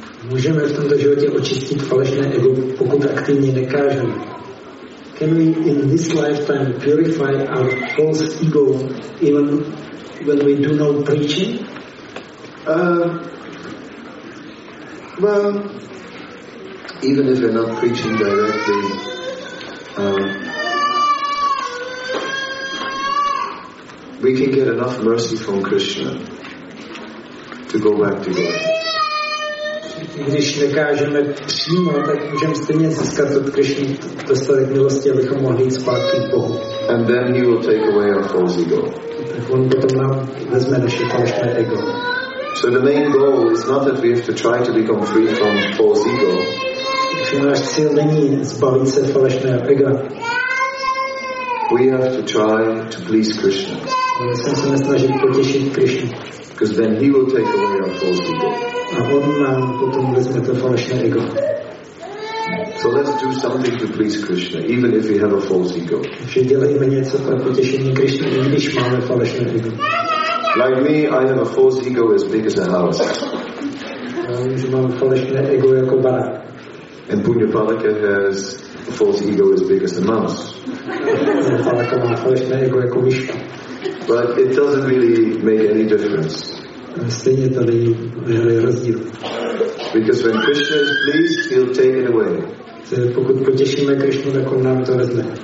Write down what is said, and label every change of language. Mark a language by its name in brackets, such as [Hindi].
[Czech] Můžeme v tomto životě očistit falešné ego, pokud aktivně nekážeme. [English] Can we in this lifetime purify our false ego even when we do not preach? Well, even if we're not preaching directly, we can get enough mercy from Krishna to go back to God. [Czech] Když nekážeme přímo, tak můžeme stejně získat od Krishny dostatek milosti, abychom mohli jít zpátky k Bohu. [English] And then he will take away our false ego. [Czech] Tak on potom nám vezme naše falešné ego. [English] So the main goal is not that we have to try to become free from false ego. [Czech] Takže náš cíl není zbavit se falešného ega. [English] We have to try to please Krishna. [Czech] Ale jsem se nesnažit potěšit Krishnu. [English] Because then he will take away our false ego. [Czech] A on nám potom vezme to falešné ego. [English] So let's do something to please Krishna, even if we have a false ego. [Czech] Takže dělejme něco pro potěšení Krishny, i když máme falešné ego. [English] Like me, I have a false ego as big as a house. [Czech] Já vím, že mám falešné ego jako barák. [English] And Punyapalaka has a false ego as big as a mouse. [Czech] Punyapalaka má falešné ego jako myška. [English] But it doesn't really make any difference. [Czech] Stejně to není velký rozdíl. [English] Because when Krishna is pleased, he'll take it away. [Czech] Pokud potěšíme Krishnu, tak on nám to vezme.